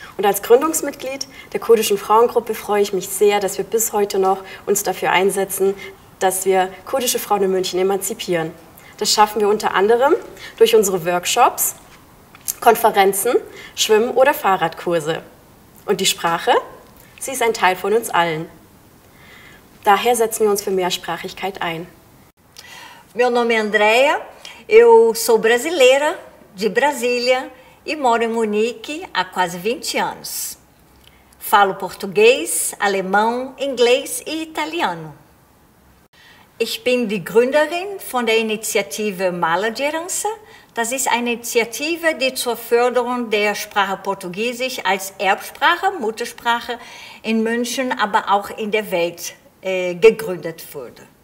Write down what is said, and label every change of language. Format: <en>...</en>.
<de>Und als Gründungsmitglied der kurdischen Frauengruppe freue ich mich sehr, dass wir bis heute noch uns dafür einsetzen, dass wir kurdische Frauen in München emanzipieren. Das schaffen wir unter anderem durch unsere Workshops, Konferenzen, Schwimm- oder Fahrradkurse. Und die Sprache? Sie ist ein Teil von uns allen. Daher setzen wir uns für Mehrsprachigkeit ein.</de> <pt>Meu nome é Andrea, eu sou brasileira de Brasília e moro em Munique há quase 20 anos. Falo português, alemão, inglês e italiano.</pt> <de>Ich bin die Gründerin von der Initiative Mala de Herança. Das ist eine Initiative, die zur Förderung der Sprache Portugiesisch als Erbsprache, Muttersprache in München, aber auch in der Welt gegründet wurde.</de>